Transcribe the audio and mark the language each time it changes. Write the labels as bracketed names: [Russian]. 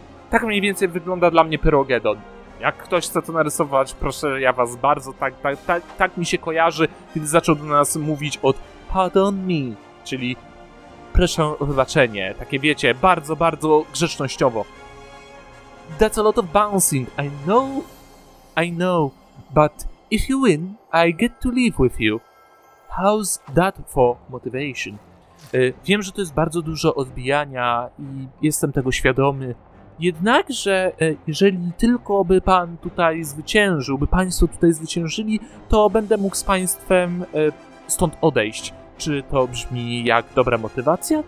[Polish] Tak mniej więcej wygląda dla mnie Perogedon. Jak ktoś chce to narysować, proszę, ja was bardzo, tak mi się kojarzy, kiedy zaczął do nas mówić od [English] pardon me, [Polish] czyli proszę o wybaczenie, takie, wiecie, bardzo, bardzo grzecznościowo. [English] That's a lot of bouncing, I know, but if you win, I get to live with you. How's that for motivation? [Polish] Wiem, że to jest bardzo dużo odbijania i jestem tego świadomy. Jednakże, jeżeli tylko by pan tutaj zwyciężył, by państwo tutaj zwyciężyli, to będę mógł z państwem stąd odejść. Czy to brzmi jak dobra motywacja?